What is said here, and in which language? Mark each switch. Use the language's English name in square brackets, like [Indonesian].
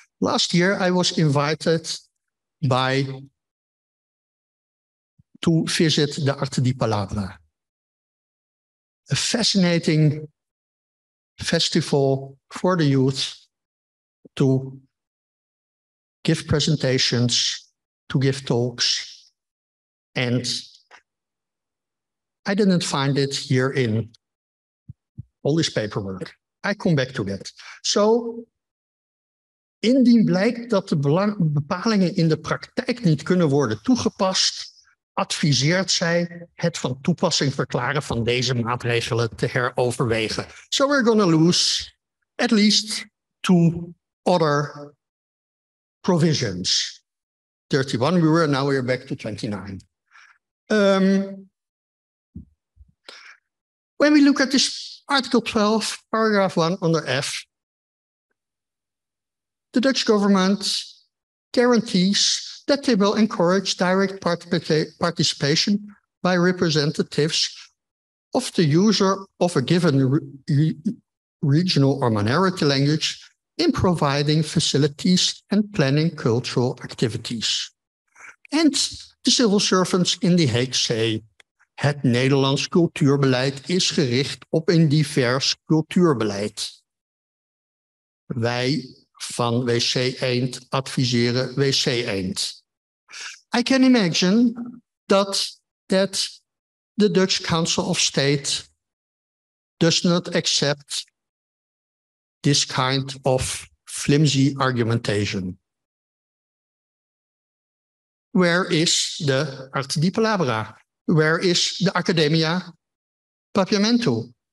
[English] Last year, I was invited to visit the Arte di Palabra, a fascinating festival for the youth to give presentations, to give talks, and I didn't find it here in all this paperwork. I come back to that. [Dutch] So, indien blijkt dat de bepalingen in de praktijk niet kunnen worden toegepast, adviseert zij het van toepassing verklaren van deze maatregelen te heroverwegen. [English] So we're going to lose at least two other provisions. 31, we were now we're back to 29. When we look at this Article 12, paragraph 1 under F, the Dutch government guarantees that they will encourage direct participation by representatives of the user of a given regional or minority language in providing facilities and planning cultural activities. And the civil servants in The Hague say, [Dutch] het Nederlands cultuurbeleid is gericht op een divers cultuurbeleid. Wij van WC Eend adviseren WC Eend. [English] I can imagine that the Dutch Council of State does not accept this kind of flimsy argumentation. Where is the Arte di Palabra? Where is the Academia Papiamentu?